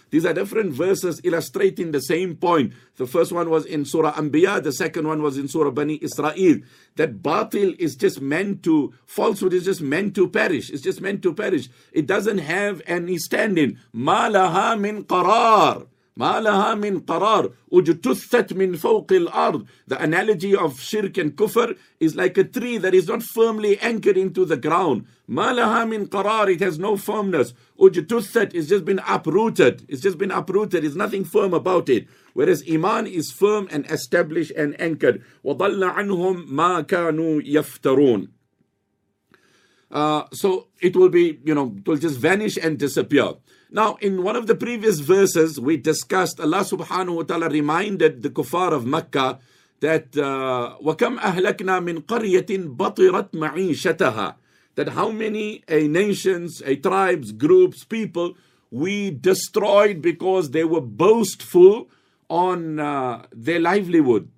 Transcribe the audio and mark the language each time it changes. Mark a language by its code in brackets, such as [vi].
[en] These are different verses illustrating the same point. The first one was in Surah Anbiya, the second one was in Surah Bani Israel. That batil is just meant to, falsehood is just meant to perish. It's just meant to perish. It doesn't have any standing. [ar] مَا لَهَا مِنْ قَرَارٍ. ما لها من قرار اجتثت من فوق الأرض. [en] The analogy of shirk and kufr is like a tree that is not firmly anchored into the ground. [ar] ما لها من قرار, [en] it has no firmness. اجتثت, it's just been uprooted. It's just been uprooted, there's nothing firm about it. Whereas iman is firm and established and anchored. [ar] وضل عنهم ما كانوا يفترون. [en] So it will be, you know, it will just vanish and disappear. Now, in one of the previous verses we discussed, Allah subhanahu wa ta'ala reminded the kuffar of Makkah that [ar] وَكَمْ أَهْلَكْنَا مِنْ قَرْيَةٍ بَطِرَتْ مَعِيشَتَهَا, [en] that how many tribes, groups, people we destroyed because they were boastful on their livelihood.